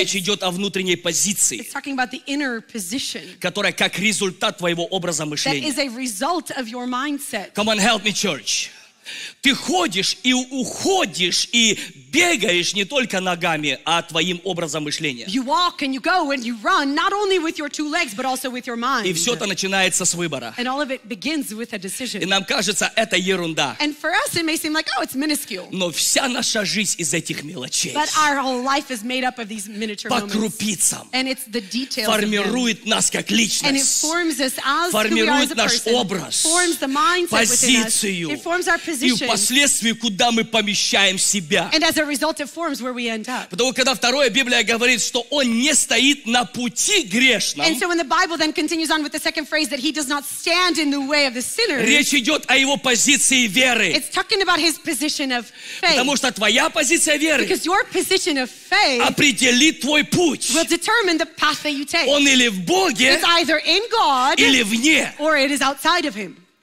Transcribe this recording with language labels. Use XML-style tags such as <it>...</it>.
<ru>Речь идет о внутренней позиции.</ru> <en>It's talking about the inner position,</en> <ru>которая как результат твоего образа мышления.</ru> <en>That is a result of your mindset. Come on, help me, church.</en> <ru>Ты ходишь и уходишь и бегаешь не только ногами, а твоим образом мышления.</ru> <en>You walk and you go and you run not only with your two legs, but also with your mind.</en> <ru>И все это начинается с выбора.</ru> <en>And all of it begins with a decision.</en> <ru>И нам кажется, это ерунда.</ru> <en>And for us it may seem like, oh, it's minuscule.</en> <ru>Но вся наша жизнь из этих мелочей.</ru> <en>But our whole life is made up of these miniature moments.</en> <ru>По крупицам.</ru> <en>And it's the details.</en> <ru>Формирует нас как личность.</ru> <en>And it forms us as</en> <ru>формирует</ru> <en>who we are as a person.</en> <ru>Образ,</ru> <en>forms the mindset</en> <ru>позицию.</ru> <en>Within us. It forms our position.</en> <ru>И впоследствии, куда мы помещаем себя.</ru> <en>And as a result, it forms where we end up.</en> <ru>Потому когда второе Библия говорит, что он не стоит на пути грешном.</ru> <en>And so when the Bible then continues on with the second phrase that he does not stand in the way of the sinner.</en> <ru>Речь идет о его позиции веры.</ru> <en>It's talking about his position of faith.</en> <ru>Потому что твоя позиция веры.</ru> <en>Because your position of faith</en> <ru>определит твой путь.</ru> <en>Will determine the path that you take.</en> <ru>Он или в Боге.</ru> <en>It's either in God.</en> <ru>Или вне.</ru> <en>Or it is outside of him.</en>